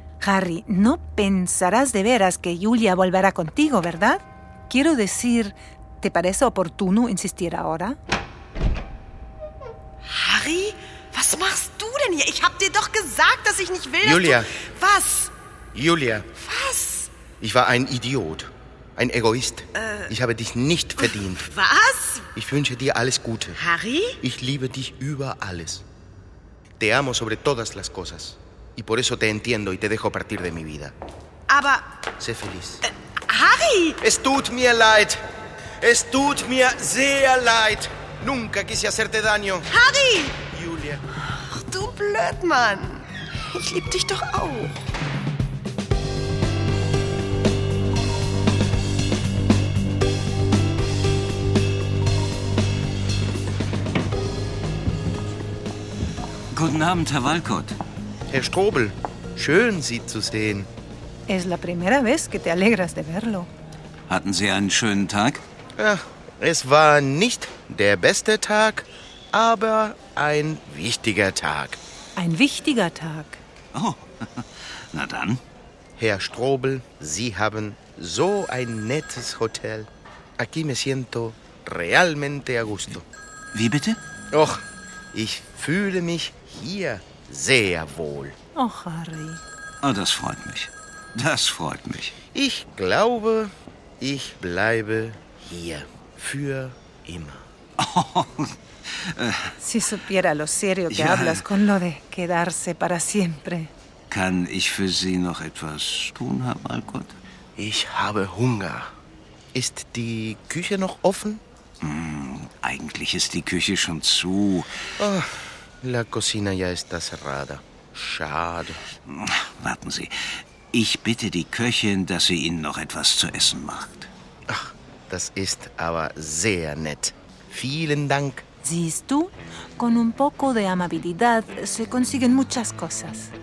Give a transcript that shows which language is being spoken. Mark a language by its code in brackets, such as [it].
[es] Harry, no pensarás de veras que Julia volverá contigo, ¿verdad? Quiero decir, ¿te parece oportuno insistir ahora? [de] Harry, was machst du denn hier? Ich hab dir doch gesagt, dass ich nicht will. Julia. Was? Julia. Was? Ich war ein Idiot. Ein Egoist. Ich habe dich nicht verdient. Was? Ich wünsche dir alles Gute. Harry? Ich liebe dich über alles. [es] Te amo sobre todas las cosas. Y por eso te entiendo y te dejo partir de mi vida. [de] Aber... [es] Sé feliz. [de] Harry! Es tut mir leid. Es tut mir sehr leid. [es] Nunca quise hacerte daño. [de] Harry! Julia. Ach, du Blödmann. Ich lieb dich doch auch. Guten Abend, Herr Walcott. Herr Strobel, schön, Sie zu sehen. [es] Es la primera vez que te alegras de verlo. [de] Hatten Sie einen schönen Tag? Ja, es war nicht der beste Tag, aber ein wichtiger Tag. Ein wichtiger Tag? Oh, na dann. Herr Strobel, Sie haben so ein nettes Hotel. [es] Aquí me siento realmente a gusto. [de] Wie bitte? Och, ich fühle mich hier sehr wohl. Och, Harry. Oh, das freut mich. Das freut mich. Ich glaube, ich bleibe hier. Für immer. [es] Si supiera lo serio que hablas con lo de quedarse para siempre. [de] Kann ich für Sie noch etwas tun, Herr Walcott? Ich habe Hunger. Ist die Küche noch offen? Eigentlich ist die Küche schon zu. [es] Oh, la cocina ya está cerrada. [de] Schade. Warten Sie. Ich bitte die Köchin, dass sie Ihnen noch etwas zu essen macht. Ach, das ist aber sehr nett. Vielen Dank. Siehst du, [es] con un poco de amabilidad se consiguen muchas cosas.